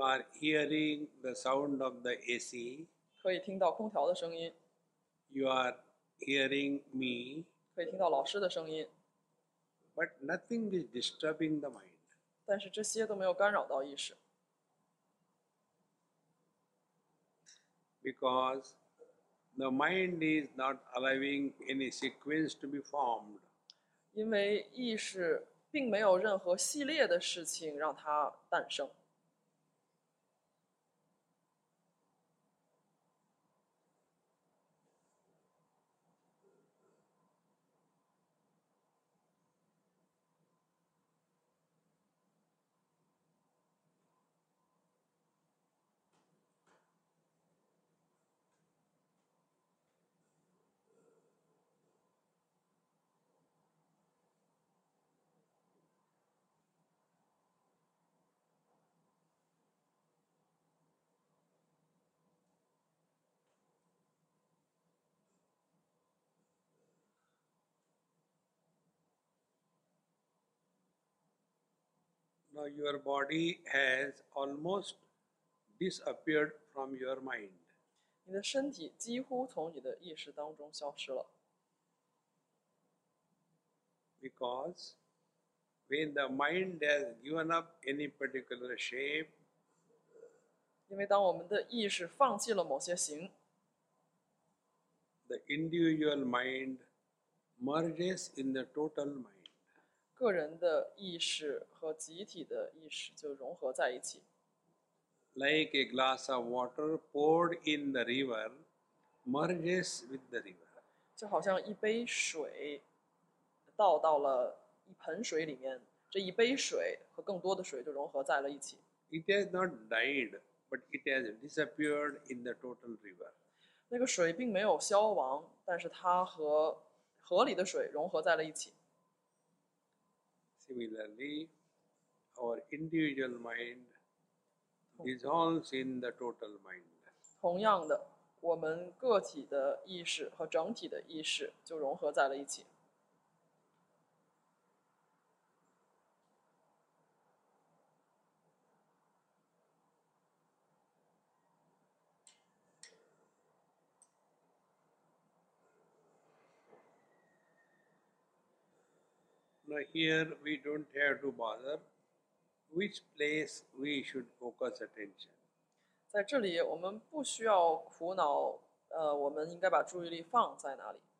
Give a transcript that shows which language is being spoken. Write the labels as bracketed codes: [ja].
[en] are hearing the sound of the AC. [zh] 可以听到空调的声音。 [en] You are hearing me. [zh] 可以听到老师的声音。 [en] But nothing is disturbing the mind. [zh] 但是这些都没有干扰到意识。 [en] Because the mind is not allowing any sequence to be formed. [zh] 因为意识并没有任何系列的事情让它诞生。 [en] Now your body has almost disappeared from your mind. [zh] 你的身体几乎从你的意识当中消失了。 [en] Because when the mind has given up any particular shape, [zh] 因为当我们的意识放弃了某些形， [en] the individual mind merges in the total mind. [zh] 个人的意识和集体的意识就融合在一起。 [en] Like a glass of water poured in the river merges with the river. [zh] 就好像一杯水倒到了一盆水里面，这一杯水和更多的水就融合在了一起。 [en] It has not died, but it has disappeared in the total river. [zh] 那个水并没有消亡，但是它和河里的水融合在了一起。 [en] Similarly, our individual mind dissolves in the total mind. [zh] 同样的，我们个体的意识和整体的意识就融合在了一起。 [en] Here we don't have to bother which place we should focus attention. [zh] 在这里我们不需要苦恼，我们应该把注意力放在哪里。